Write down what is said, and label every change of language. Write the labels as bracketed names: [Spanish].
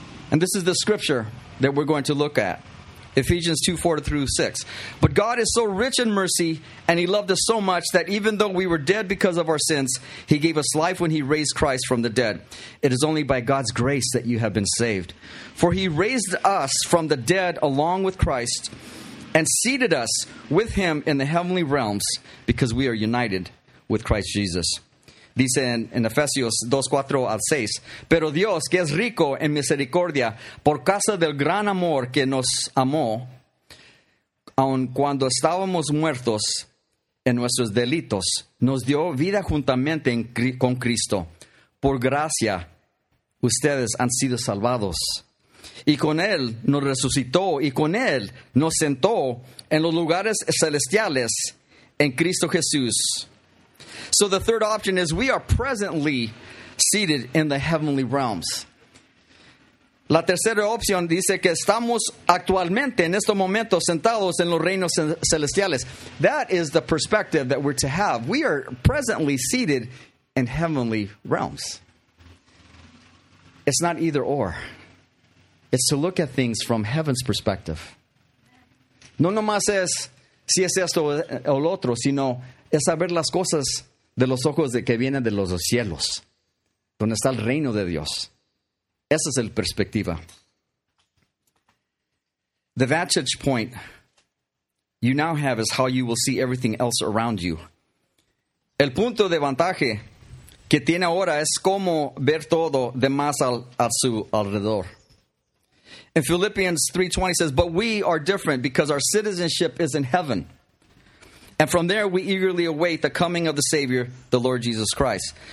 [English] And this is the scripture that we're going to look at, Ephesians 2, 4 through 6. But God is so rich in mercy, and he loved us so much that even though we were dead because of our sins, he gave us life when he raised Christ from the dead. It is only by God's grace that you have been saved. For he raised us from the dead along with Christ and seated us with him in the heavenly realms because we are united with Christ Jesus. [Spanish] Dice en Efesios 2, 4 al 6, Pero Dios, que es rico en misericordia, por causa del gran amor que nos amó, aun cuando estábamos muertos en nuestros delitos, nos dio vida juntamente con Cristo. Por gracia, ustedes han sido salvados. Y con Él nos resucitó, y con Él nos sentó en los lugares celestiales en Cristo Jesús. [English] So the third option is we are presently seated in the heavenly realms. [Spanish] La tercera opción dice que estamos actualmente en este momento sentados en los reinos celestiales. [English] That is the perspective that we're to have. We are presently seated in heavenly realms. It's not either or. It's to look at things from heaven's perspective. [Spanish] No nomás es si es esto o el otro, sino es saber las cosas de los ojos de que vienen de los cielos, donde está el reino de Dios. Esa es la perspectiva. [English] The vantage point you now have is how you will see everything else around you. [Spanish] El punto de ventaja que tiene ahora es cómo ver todo de más a su alrededor. [English] In Philippians 3:20 says, but we are different because our citizenship is in heaven. And from there we eagerly await the coming of the Savior, the Lord Jesus Christ.